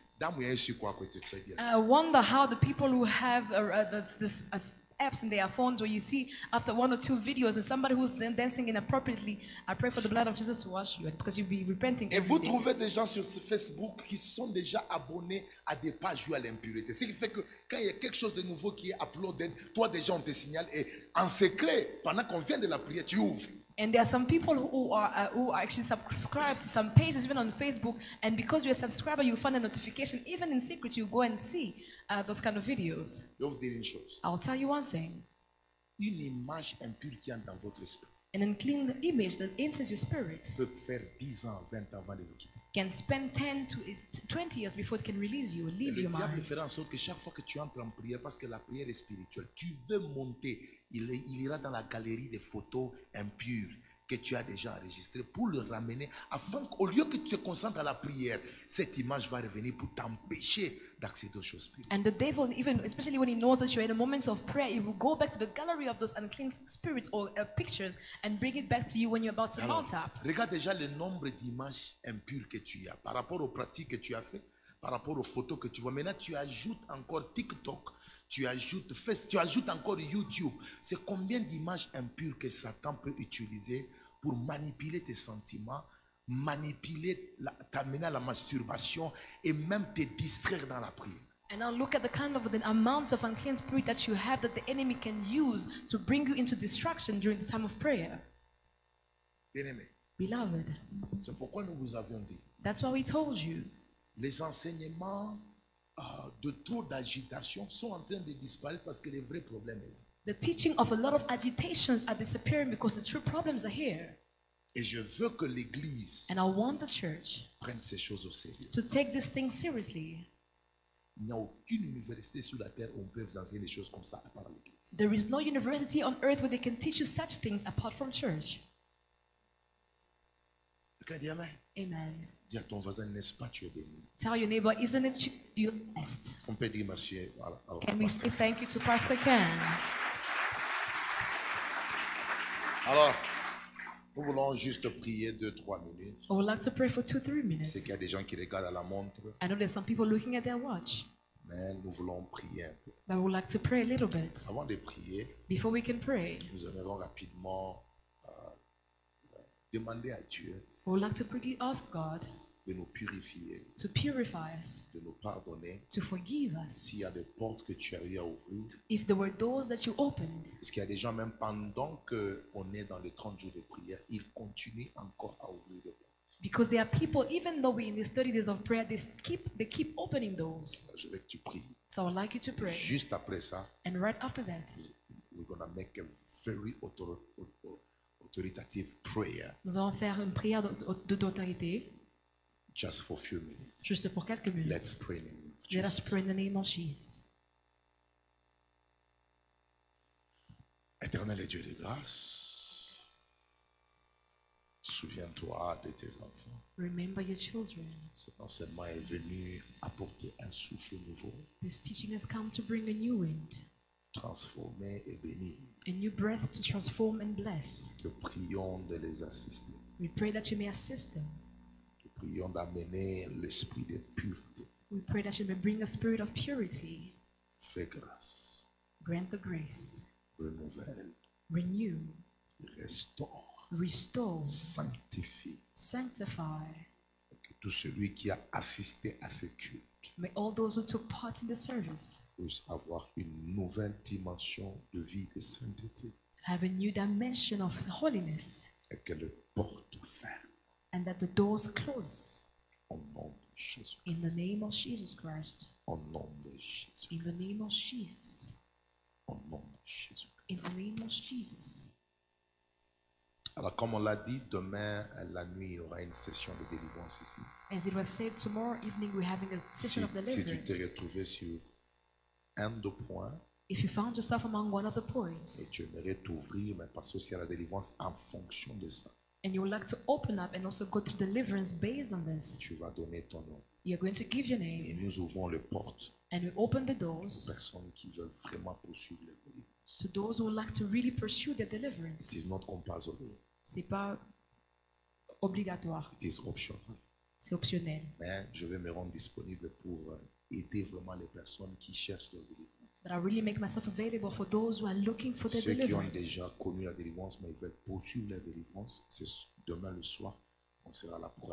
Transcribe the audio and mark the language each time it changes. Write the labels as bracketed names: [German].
[English] I wonder how the people who have apps in their phones, where you see after one or two videos and somebody who's dancing inappropriately, I pray for the blood of Jesus to wash you because you'll be repenting. [French] Et vous trouvez des gens sur Facebook qui sont déjà abonnés à des pages vues à l'impureté. Ce qui fait que quand il y a quelque chose de nouveau qui est uploaded, toi déjà on te signale et en secret, pendant qu'on vient de la prière, tu ouvres. [English] And there are some people who are actually subscribed to some pages, even on Facebook. And because you're a subscriber, you find a notification. Even in secret, you go and see those kind of videos. I'll tell you one thing. [French] Une image impure qui entre dans votre esprit. [English] An unclean image that enters your spirit. [French] Peut faire 10 ans, 20 ans avant de vous quitter. [English] Can spend 10 to 20 years before it can release you or leave your mind. [French] Le diable fera en sorte que chaque fois que tu entres en prière, parce que la prière est spirituelle, tu veux monter, il ira dans la galerie des photos impures que tu as déjà enregistrées pour le ramener, afin qu'au lieu que tu te concentres à la prière, cette image va revenir pour t'empêcher d'accéder aux choses spirituelles. [English] And the devil, even especially when he knows that you're in a moment of prayer, he will go back to the gallery of those unclean spirits or pictures and bring it back to you when you're about to mount up. [French] Regarde déjà le nombre d'images impures que tu as par rapport aux pratiques que tu as faites, par rapport aux photos que tu vois. Maintenant, tu ajoutes encore TikTok, tu ajoutes Facebook, tu ajoutes encore YouTube. C'est combien d'images impures que Satan peut utiliser pour manipuler tes sentiments, manipuler, t'amener à la masturbation et même te distraire dans la prière. [English] And now look at the kind of the amount of unclean spirit that you have that the enemy can use to bring you into distraction during the time of prayer. [French] Bien-aimé. [English] Beloved. [French] C'est pourquoi nous vous avions dit. [English] That's why we told you. [French] Les enseignements de trop d'agitation sont en train de disparaître parce que les vrais problèmes sont là. [English] The teaching of a lot of agitations are disappearing because the true problems are here. [French] Et je veux que l'Église [English] and I want the church [French] prenne ces choses au sérieux. [English] To take this thing seriously. [French] Il n'y a aucune université sur la terre où on peut vous enseigner des choses comme ça à part l'Église. [English] There is no university on earth where they can teach you such things apart from church. [French] Amen. [English] Amen. [French] Dis à ton voisin, n'est-ce pas tu es béni? [English] Tell your neighbor, isn't it you blessed? [French] Est-ce qu'on peut dire merci à Pastor [English] Ken? Can we say thank you to Pastor Ken? [French] Alors, nous voulons juste prier 2-3 minutes. [English] I would like to pray for 2-3 minutes. [French] C'est qu'il y a des gens qui regardent à la montre. [English] I know there's some people looking at their watch. [French] Mais nous voulons prier un peu. [English] But I would like to pray a little bit. [French] Avant de prier, [English] before we can pray, [French] nous aimerons rapidement demander à Dieu. [English] We would like to quickly ask God [French] de nous purifier, [English] to purify us, [French] de nous pardonner, [English] to forgive us. [French] S'il y a des portes que tu as eu à ouvrir, [English] if there were doors that you opened, [French] parce qu'il y a des gens même pendant que on est dans les 30 jours de prière, ils continuent encore à ouvrir les portes. [English] Because there are people, even though we're in these 30 days of prayer, they keep opening doors. [French] Je veux que tu pries. [English] So I would like you to pray. [French] Juste après ça, [English] and right after that, we're gonna make a very authoritative prayer. [French] Nous allons faire une prière d'autorité. [English] Just for a few minutes. [French] Juste pour quelques minutes. [English] Let's pray in the name of Jesus. Let us pray in the name of Jesus. [French] Éternel et Dieu de grâce, souviens-toi de tes enfants. [English] Remember your children. [French] Cet enseignement est venu apporter un souffle nouveau. [English] This teaching has come to bring a new wind. [French] Transformer et bénir. [English] A new breath to transform and bless. [French] Nous prions de les assister. [English] We pray that you may assist them. [French] Nous prions d'amener l'esprit de pureté. [English] We pray that you may bring a spirit of purity. [French] Fais grâce. [English] Grant the grace. [French] Renouvelle. [English] Renew. [French] Restaure. [English] Restore. [French] Sanctifie. [English] Sanctify. [French] Et que tout celui qui a assisté à ce culte. [English] May all those who took part in the service [French] puisse avoir une nouvelle dimension de vie de sainteté. [English] Have a new dimension of holiness. [French] Et que les portes ferment. [English] And that the doors close. [French] Au nom de [English] In the name of Jesus Christ. [French] Au nom de Jésus. [English] In the name of Jesus. [French] Au nom de Jésus. [English] In the name of Jesus. [French] Alors, comme on l'a dit, demain la nuit, il y aura une session de délivrance ici. [English] As it was said, tomorrow evening we're having a session of deliverance. [French] Si tu t'es retrouvé sur un de points. [English] If you found yourself among one of the points. [French] Et tu aimerais t'ouvrir, mais passer aussi à la délivrance en fonction de ça. [English] And you would like to open up and also go through deliverance based on this. [French] Tu vas donner ton nom. [English] You're going to give your name. [French] Et nous ouvrons les portes. [English] And we open the doors. [French] Aux personnes qui veulent vraiment poursuivre les délivrances. [English] To those who would like to really pursue their deliverance. It is not compulsory. [French] C'est pas obligatoire. [English] It is optional. [French] C'est optionnel. Mais je vais me rendre disponible pour aider vraiment les personnes qui cherchent leur délivrance. [English] But I really make myself available for those who are looking for their deliverance. [French] Ceux qui ont déjà connu la délivrance mais ils veulent poursuivre leur délivrance, c'est demain le soir, on sera là pour.